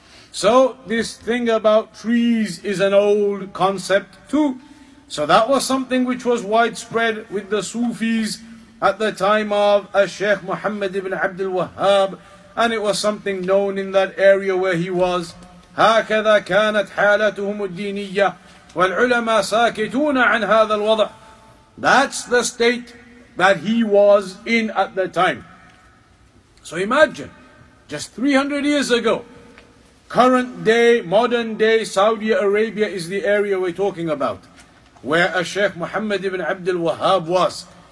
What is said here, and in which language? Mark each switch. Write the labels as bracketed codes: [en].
[en] So this thing about trees is an old concept too. So that was something which was widespread with the Sufis at the time of Sheikh Muhammad ibn Abdul Wahhab, and it was something known in that area where he was. [ar] هكذا كانت حالتهم الدينية والعلماء ساكتون عن هذا الوضع. [en] That's the state that he was in at the time. So imagine, just 300 years ago, current day, modern day Saudi Arabia is the area we're talking about, where a Sheikh Muhammad ibn Abdul Wahhab was.